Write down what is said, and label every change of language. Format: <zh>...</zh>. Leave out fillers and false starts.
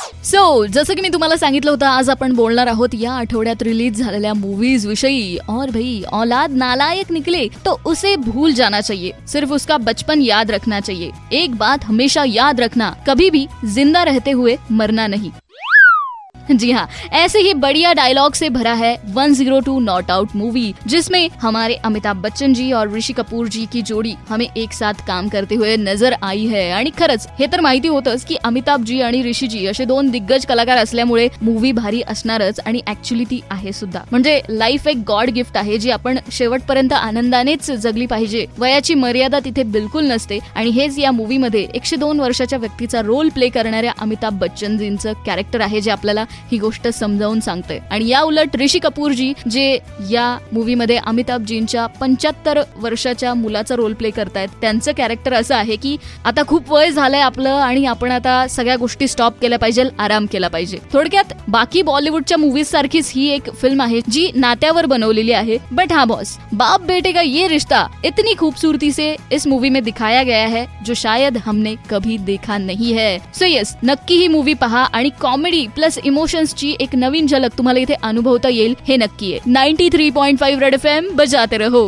<mr>So जसं की मी तुम्हाला सांगितलं होतं, आज आपण बोलणार आहोत या आठवड्यात रिलीज झालेल्या मूवीज विषयी.</mr> <hi>और भाई, औलाद नालायक निकले तो उसे भूल जाना चाहिए, सिर्फ उसका बचपन याद रखना चाहिए. एक बात हमेशा याद रखना, कभी भी जिंदा रहते हुए मरना नहीं. जी हाँ, ऐसे ही बढ़िया डायलॉग से भरा है 102 नॉट आउट मूवी, जिसमें हमारे अमिताभ बच्चन जी और ऋषि कपूर जी की जोड़ी हमें एक साथ काम करते हुए नजर आई है.</hi> <mr>आणि खरच हे तर माहिती होतच की अमिताभ जी आणि ऋषि जी असे दोन दिग्गज कलाकार असल्यामुळे मूवी भारी असणारच, आणि ऍक्च्युली ती आहे सुद्धा. म्हणजे लाईफ एक गॉड गिफ्ट आहे जी आपण शेवटपर्यंत आनंदानेच जगली पाहिजे. वयाची मर्यादा तिथे बिलकुल नसते आणि हेच या मूवीमध्ये 102 वर्षाच्या व्यक्तीचा रोल प्ले करणाऱ्या अमिताभ बच्चन जींचं कॅरेक्टर आहे, जे आपल्याला ही गोष्ट समजावून सांगते. आणि या उलट ऋषी कपूर जी जे या मूवी मध्ये अमिताभ जींच्या 75 वर्षाच्या मुलाचा रोल प्ले करतायत, त्यांचं कॅरेक्टर असं आहे की आता खूप वय झालंय आपलं आणि आपण आता सगळ्या गोष्टी स्टॉप केल्या पाहिजे, आराम केला पाहिजे. थोडक्यात बाकी बॉलिवूडच्या मूवीज सारखीच ही एक फिल्म आहे जी नात्यावर बनवलेली आहे.</mr> <hi>बट हा बॉस, बाप बेटे का ये रिश्ता इतनी खूबसूरती से इस मूवी में दिखाया गया है जो शायद हमने कभी देखा नहीं है.</hi> <mr>सो यस, नक्की ही मूवी पहा आणि कॉमेडी प्लस इमोशन्सची एक नवीन झलक तुम्हाला इथे अनुभवता येईल, हे नक्की आहे. 93.5 रेड एफएम</mr> <hi>बजाते रहो.</hi>